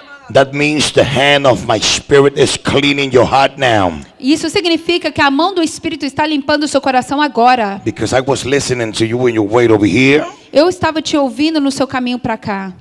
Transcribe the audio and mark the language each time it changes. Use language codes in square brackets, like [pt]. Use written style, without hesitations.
[en] That means the hand of my spirit is cleaning your heart now. [pt] Isso significa que a mão do Espírito está limpando o seu coração agora. [en] Because I was listening to you when you wait over here. [pt] Eu estava te ouvindo no seu caminho para cá.